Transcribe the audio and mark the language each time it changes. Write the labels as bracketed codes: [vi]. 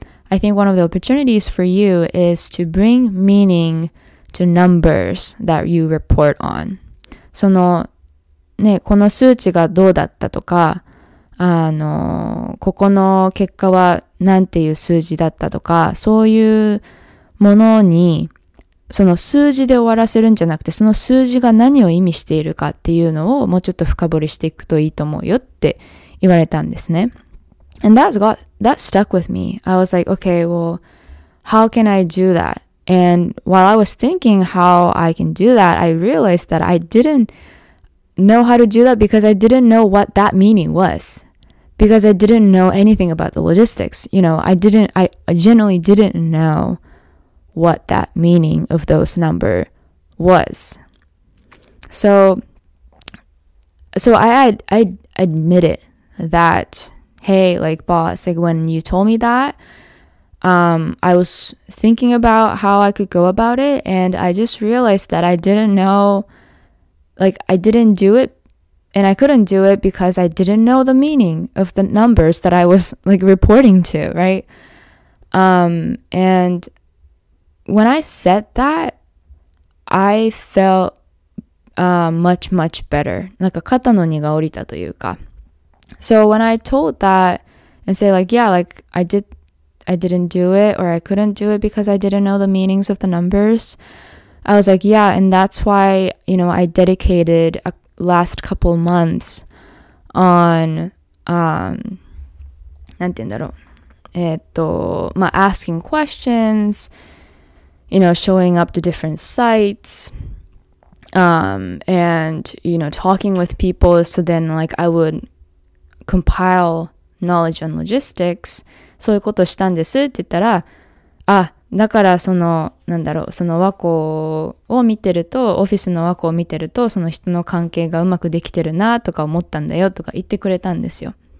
[en] I think one of the opportunities for you is to bring meaning to numbers that you report on. [ja] そのね、この数値がどうだったとか、ここの結果はなんていう数字だったとか、そういうものに、その数字で終わらせるんじゃなくて、その数字が何を意味しているかっていうのをもうちょっと深掘りしていくといいと思うよって言われたんですね。 [en] And that stuck with me. I was like, okay, well, how can I do that? And while I was thinking how I can do that, I realized that I didn't know how to do that because I didn't know what that meaning was. Because I didn't know anything about the logistics. You know, I generally didn't know what that meaning of those number was. So I admitted that, hey, like, boss, like, when you told me that, I was thinking about how I could go about it, and I just realized that I didn't know. Like, I didn't do it, and I couldn't do it because I didn't know the meaning of the numbers that I was, like, reporting to, right? And when I said that, I felt much, much better. [ja] なんか肩の荷が降りたというか。 [en] So when I told that and say, like, yeah, like, I didn't do it, or I couldn't do it because I didn't know the meanings of the numbers... I was like, yeah, and that's why, you know, I dedicated a last couple months on, [ja] なんて言うんだろう。 [en] まあ、asking questions, you know, showing up to different sites, and, you know, talking with people. So then, like, I would compile knowledge on logistics. [ja] そういうことしたんですって言ったら、あ、だからそのなんだろうその和光を見てるとオフィスの和光を見てるとその人の関係がうまくできてるなとか思ったんだよとか言ってくれたんですよ。